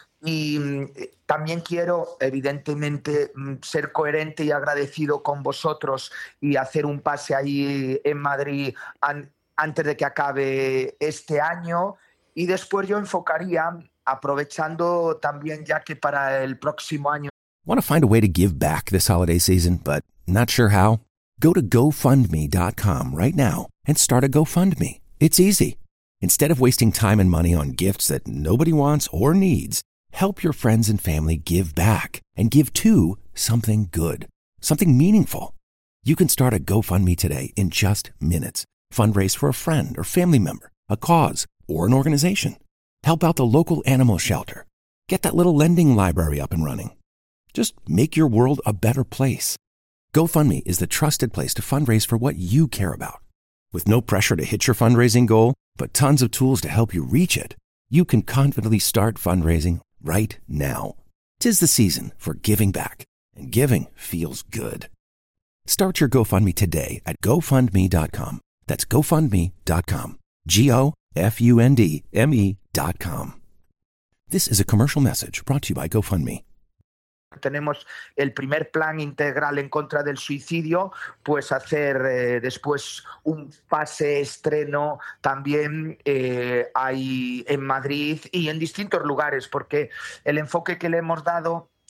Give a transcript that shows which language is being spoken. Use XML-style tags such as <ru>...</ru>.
<es>Y también quiero, evidentemente, ser coherente y agradecido con vosotros y hacer un pase ahí en Madrid antes de que acabe este año. Y después yo enfocaría, aprovechando también ya que para el próximo año...</es> <en>Want to find a way to give back this holiday season, but not sure how? Go to GoFundMe.com right now and start a GoFundMe. It's easy. Instead of wasting time and money on gifts that nobody wants or needs, help your friends and family give back and give to something good, something meaningful. You can start a GoFundMe today in just minutes. Fundraise for a friend or family member, a cause, or an organization. Help out the local animal shelter. Get that little lending library up and running. Just make your world a better place. GoFundMe is the trusted place to fundraise for what you care about. With no pressure to hit your fundraising goal, but tons of tools to help you reach it, you can confidently start fundraising right now. Tis the season for giving back, and giving feels good. Start your GoFundMe today at GoFundMe.com. That's GoFundMe.com. GoFundMe.com. This is a commercial message brought to you by GoFundMe.</en> <es>Tenemos el primer plan integral en contra del suicidio, pues hacer después un pase estreno también ahí en Madrid y en distintos lugares, porque el enfoque que le hemos dado</es>